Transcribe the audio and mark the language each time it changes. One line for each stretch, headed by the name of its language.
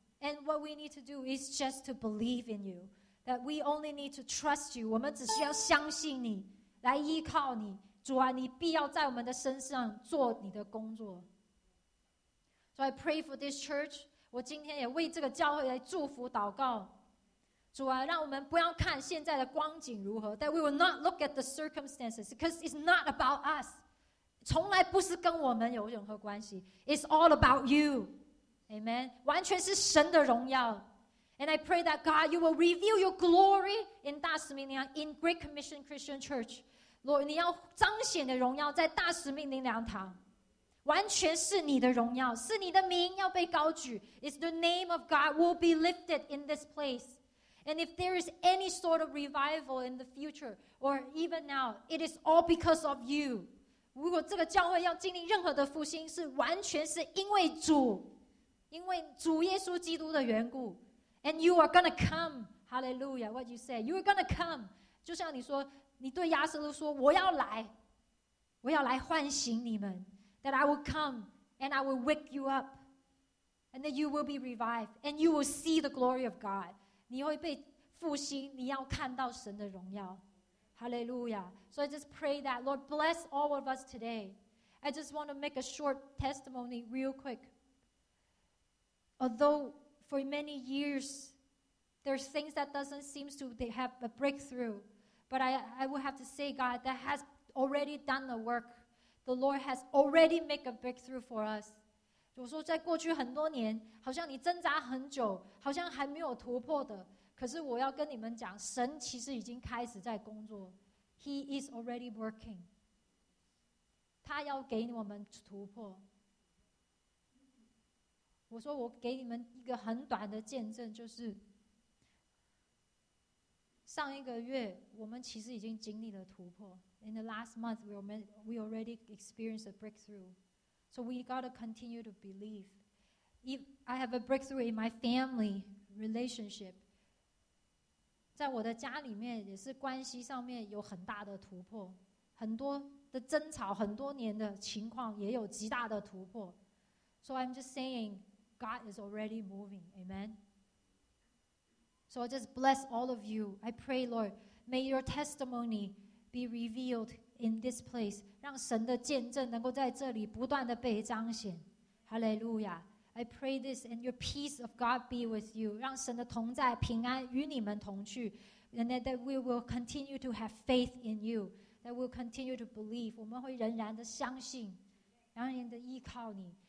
English: And what we need to do is just to believe in you. That we only need to trust you.
Chinese: 我们只需要相信你，来依靠你。主啊，你必要在我们的身上做你的工作。
English: So I pray for this church.
Chinese: 我今天也为这个教会来祝福祷告。主啊，让我们不要看现在的光景如何。
English: That we will not look at the circumstances, because it's not about us.
Chinese: 从来不是跟我们有任何关系。
English: It's all about you. Amen.
Chinese: 完全是神的荣耀。
English: And I pray that God, you will reveal your glory in 大使命灵粮 in Great Commission Christian Church.
Chinese: Lord, 你要彰显的荣耀在大使命灵粮堂。完全是你的荣耀，是你的名要被高举。
English: It's the name of God will be lifted in this place. And if there is any sort of revival in the future, or even now, it is all because of you.
Chinese: 如果这个教会要经历任何的复兴，是完全是因为主，因为主耶稣基督的缘故。
English: And you are gonna come, hallelujah, what you say. You are gonna come.
Chinese: 就像你说，你对亚瑟路说，我要来，我要来唤醒你们。
English: That I will come and I will wake you up. And that you will be revived. And you will see the glory of God.
Chinese: 你会被复兴，你要看到神的荣耀。
English: Hallelujah. So I just pray that, Lord, bless all of us today. I just want to make a short testimony real quick. Although for many years, there's things that doesn't seem to have a breakthrough. But I will have to say, God, that has already done the work. The Lord has already made a breakthrough for us.
Chinese: 我说在过去很多年，好像你挣扎很久，好像还没有突破的。可是我要跟你们讲，神其实已经开始在工作。
English: He is already working.
Chinese: 他要给我们突破。我说我给你们一个很短的见证，就是上一个月我们其实已经经历了突破。
English: In the last month, we already experienced a breakthrough. So we got to continue to believe. If I have a breakthrough in my family relationship.
Chinese: 在我的家里面也是关系上面有很大的突破。很多的争吵很多年的情况也有极大的突破。
English: So I'm just saying, God is already moving. Amen. So I just bless all of you. I pray, Lord, may your testimony be revealed in this place.
Chinese: 让神的见证能够在这里不断的被彰显。
English: Hallelujah. I pray this and your peace of God be with you.
Chinese: 让神的同在平安与你们同去。
English: And that we will continue to have faith in you. That we will continue to believe.
Chinese: 我们会仍然的相信，仍然的依靠你。